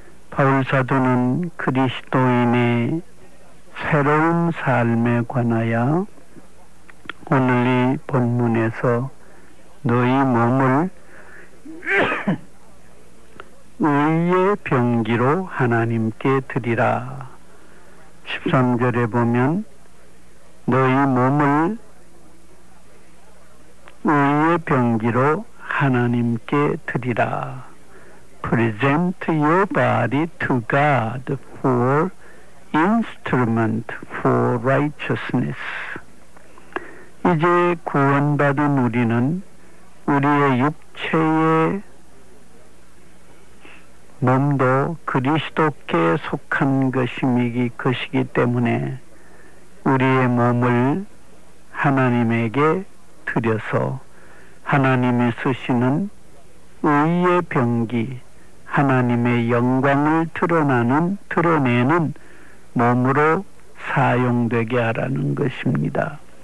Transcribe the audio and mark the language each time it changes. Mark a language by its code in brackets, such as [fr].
[ko] 바울사도는 그리스도인의 새로운 삶에 관하여 오늘 이 본문에서 너희 몸을 의의 병기로 하나님께 드리라. 13절에 보면 너희 몸을 의의 병기로 하나님께 드리라. [en] Present your body to God for instrument for righteousness. [ko] 이제 구원받은 우리는 우리의 육체의 몸도 그리스도께 속한 것이기 때문에 우리의 몸을 하나님에게 드려서 하나님이 쓰시는 의의 병기 하나님의 영광을 드러내는 몸으로 사용되게 하라는 것입니다.